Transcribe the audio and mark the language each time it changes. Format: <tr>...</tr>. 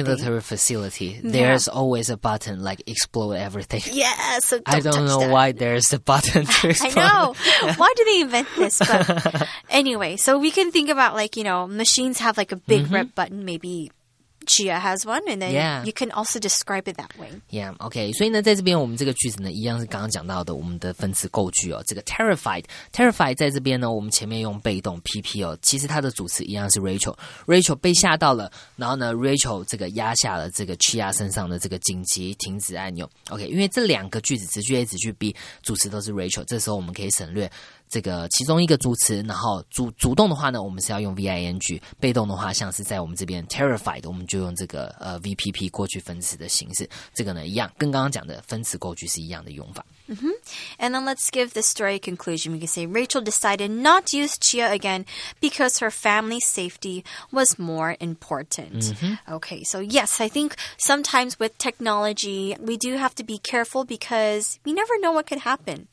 <en>Like in the military facility, there's always a button like explode everything. Yeah, so don't I don't touch know that. Why there's a button to explode. I know. Why did they invent this? But anyway, so we can think about like, you know, machines have like a big red button, maybe Gia has one, and then you can also describe it that way. Yeah, okay.</en> <zh>所以呢，在这边我们这个句子呢，一样是刚刚讲到的我们的分词构句哦。这个 terrified 在这边呢，我们前面用被动 PP 哦，其实它的主词一样是 Rachel。 Rachel 被吓到了，然后呢 ，Rachel 这个压下了这个 Gia 身上的这个紧急停止按钮。 OK， 因为这两个句子，直句 A、直句 B， 主词都是 Rachel， 这时候我们可以省略。这个其中一个主词，然后主动的话呢，我们是要用 VING， 被动的话像是在我们这边 terrified， 我们就用这个VPP 过去分词的形式，这个呢一样跟刚刚讲的分词过去是一样的用法。 Mm-hmm.</zh> <en>And then let's give the story conclusion. We can say Rachel decided not to use Gia again because her family safety was more important. Mm-hmm. Okay, so yes, I think sometimes with technology, we do have to be careful because we never know what could happen.</en>